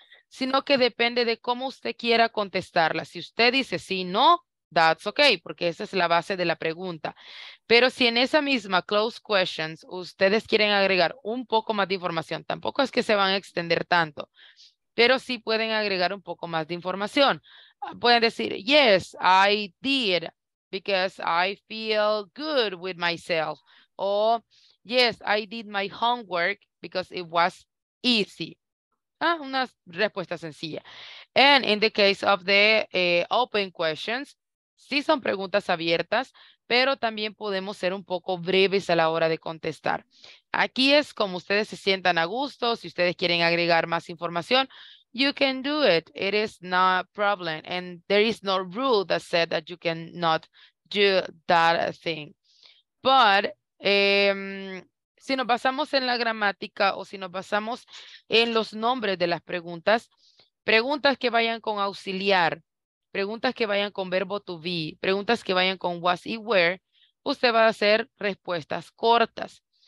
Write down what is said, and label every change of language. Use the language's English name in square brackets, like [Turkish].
[Spanish] Sino que depende de cómo usted quiera contestarla. Si usted dice sí, no, [English] that's okay, [Spanish] porque esa es la base de la pregunta. Pero si en esa misma close questions ustedes quieren agregar un poco más de información, tampoco es que se van a extender tanto, pero sí pueden agregar un poco más de información. Pueden decir, [English] yes, I did, because I feel good with myself. O, yes, I did my homework because it was easy. [Spanish] Ah, una respuesta sencilla. [English] And in the case of the open questions, [Spanish] sí son preguntas abiertas, pero también podemos ser un poco breves a la hora de contestar. Aquí es como ustedes se sientan a gusto. Si ustedes quieren agregar más información, [English] you can do it. It is not a problem. And there is no rule that said that you cannot do that thing. [Spanish] But si nos basamos en la gramática o si nos basamos en los nombres de las preguntas, preguntas que vayan con auxiliar, preguntas que vayan con verbo to be, preguntas que vayan con was y where, usted va a hacer respuestas cortas.